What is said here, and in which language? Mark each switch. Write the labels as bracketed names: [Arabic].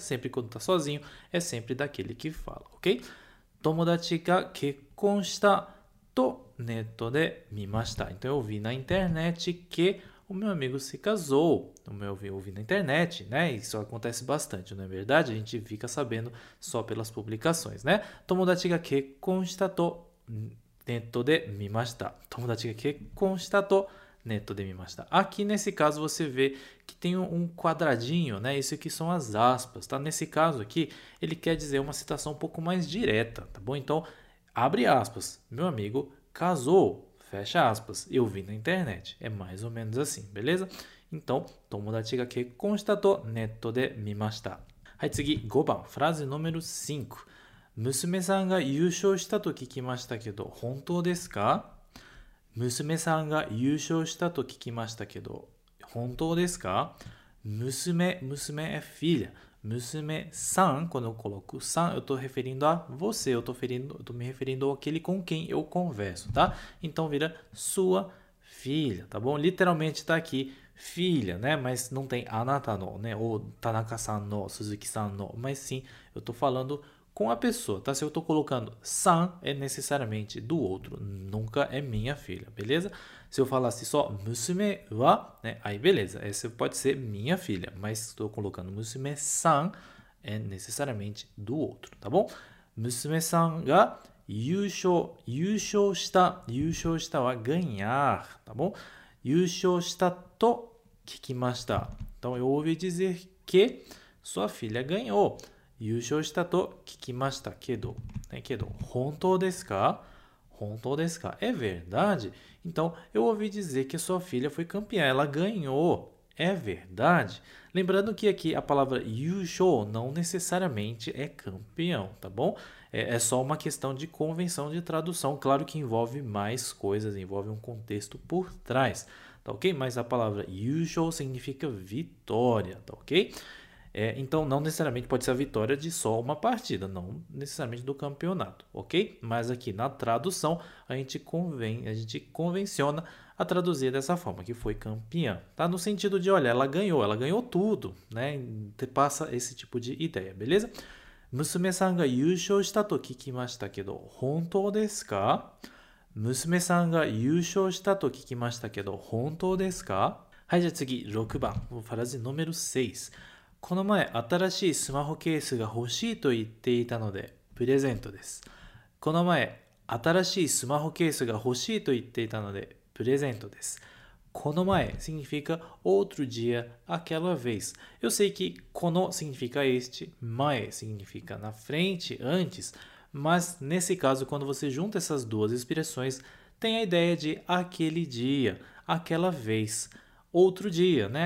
[Portuguese] Sempre quando está sozinho, é sempre daquele que fala, ok? [Japanese] Tomodachi ga kekkon shita to netto de mimashita. [Portuguese] Então eu vi na internet que o meu amigo se casou. O meu ouvi na internet, né? Isso acontece bastante, não é verdade? A gente fica sabendo só pelas publicações, né? [Japanese] 友達が結婚したとネットで見ました。友達が結婚したとネットで見ました。 [Portuguese] aqui nesse caso você vê que tem um quadradinho, né? Isso aqui são as aspas, tá? Nesse caso aqui, ele quer dizer uma citação um pouco mais direta, tá bom? Então, abre aspas. Meu amigo casou. Fecha aspas, eu vi na internet. É mais ou menos assim, beleza? [Japanese] Então, 友達が結婚したとネットで見ました。はい、次、5番、フラーズ [Portuguese] número 5。 [Japanese] 娘さんが優勝したと聞きましたけど、本当ですか？娘さんが優勝したと聞きましたけど、本当ですか？ [Portuguese] 娘、filha。娘さん、quando eu coloco さん、eu estou referindo a você, eu estou me referindo àquele com quem eu converso, tá? Então vira sua filha, tá bom? Literalmente está aqui filha, né? Mas não tem anata no, né? Ou Tanaka-san no, Suzuki-san no, mas sim, eu estou falando com a pessoa, tá? Se eu estou colocando san, é necessariamente do outro, nunca é minha filha, beleza? Se eu falasse só 娘は, né? Aí beleza, essa pode ser minha filha, mas estou colocando 娘さん, é necessariamente do outro, tá bom? [Japanese] 娘さんが優勝した、優勝したは [Portuguese] ganhar, tá bom? [Japanese] 優勝したと聞きました。 [Portuguese] então eu ouvi dizer que sua filha ganhou. [Japanese] 優勝したと聞きましたけど、ね、けど、本当ですか？本当ですか？ [Portuguese] É verdade? Então, eu ouvi dizer que sua filha foi campeã, ela ganhou. É verdade? Lembrando que aqui a palavra Yusho não necessariamente é campeão, tá bom? É só uma questão de convenção de tradução. Claro que envolve mais coisas, envolve um contexto por trás, tá ok? Mas a palavra Yusho significa vitória, tá ok? Então, não necessariamente pode ser a vitória de só uma partida, não necessariamente do campeonato, ok? Mas aqui na tradução, a gente convenciona a traduzir dessa forma, que foi campeã, tá? No sentido de, olha, ela ganhou tudo, né? Passa esse tipo de ideia, beleza? [Japanese] 娘さんが優勝したと聞きましたけど、本当ですか？娘さんが優勝したと聞きましたけど、本当ですか？はい、じゃあ次、6番。フラジノメル6。この前、新しいスマホケースが欲しいと言っていたので、プレゼントです。この前、新しいスマホケースが欲しいと言っていたので、プレゼントです。 [Portuguese] この前 significa outro dia, aquela vez. Eu sei que この significa este, mais significa na frente, antes, mas nesse caso, quando você junta essas duas expressões, tem a ideia de aquele dia, aquela vez. Outro dia, né?